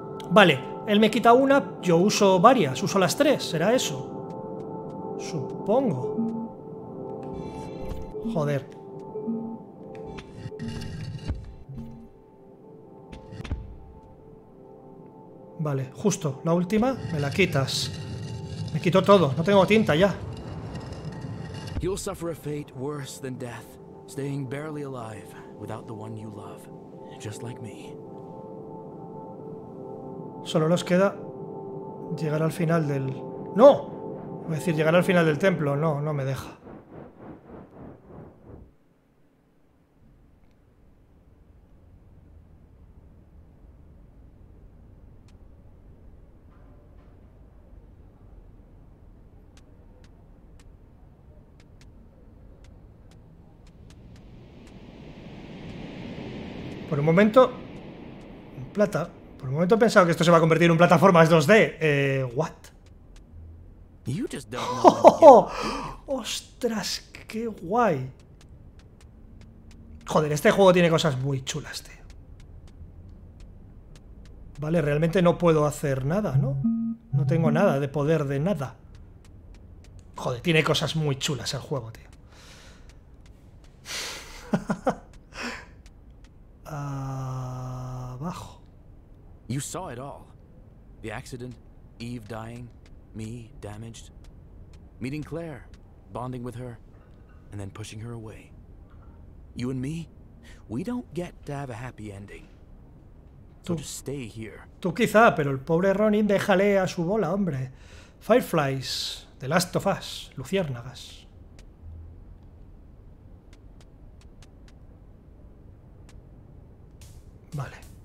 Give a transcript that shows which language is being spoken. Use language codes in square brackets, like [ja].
[es] Vale, él me quita una, yo uso varias, uso las tres, ¿será eso? Supongo. Joder. Vale, justo, la última, me la quitas. Me quito todo, no tengo tinta ya. [en] You'll suffer a fate worse than death, staying barely alive without the one you love, just like me. [es] Solo nos queda llegar al final del... ¡No! Voy a decir, llegar al final del templo, no, no me deja. un momento. Plata. Por un momento he pensado que esto se va a convertir en un plataformas 2D. [en] What? You just don't know what you're doing. [es] ¡Ostras! ¡Qué guay! Joder, este juego tiene cosas muy chulas, tío. Vale, realmente no puedo hacer nada, ¿no? No tengo nada de poder de nada. Joder, tiene cosas muy chulas el juego, tío. Abajo. [en] You saw it all. The accident, Eve dying, me damaged, meeting Claire, bonding with her, and then pushing her away. You and me, we don't get to have a happy ending. [es] Tú, [en] so stay here. [es] Tú quizá, pero el pobre Ronin, déjale a su bola, hombre. [en] Fireflies, The Last of Us, luciérnagas. [es] Vale.